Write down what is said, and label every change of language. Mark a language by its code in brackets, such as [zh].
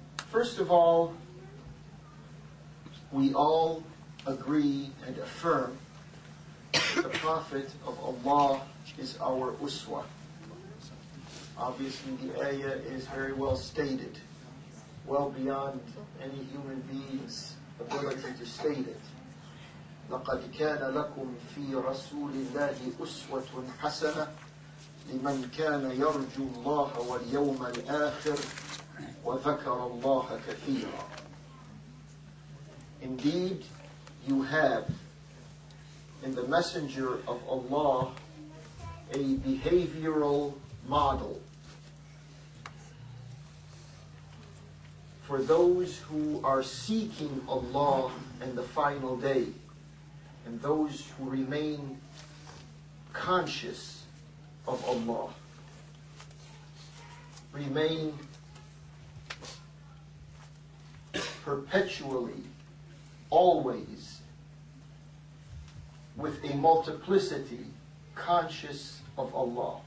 [en] First of all, we all agree and affirm that the Prophet of Allah is our uswa. Obviously, the ayah is very well stated, well beyond any human being's ability to state it. [ar] لقد كان لكم في رسول الله أسوة حسنة لمن كان يرجو الله واليوم الآخر وذكر الله كثيرا. [en] Indeed, you have in the messenger of Allah a behavioral model for those who are seeking Allah in the final day, and those who remain conscious of Allah, remain perpetually, always, with a multiplicity conscious of Allah.